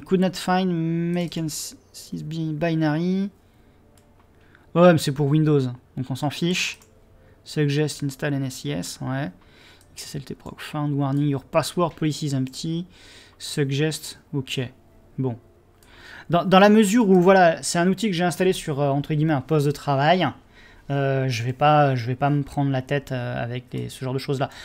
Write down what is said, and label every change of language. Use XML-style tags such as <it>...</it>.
<en>Could not find make and sys binary.</en> <fr>Ouais, mais c'est pour Windows, donc on s'en fiche.</fr> <en>Suggest install NSIS,</en> <fr>ouais.</fr> <en>XSLT proc found warning, your password policy is empty. Suggest, ok.</en> <fr>Bon. Dans la mesure où, voilà, c'est un outil que j'ai installé sur, entre guillemets, un poste de travail, je vais pas me prendre la tête avec ce genre de choses-là.</fr>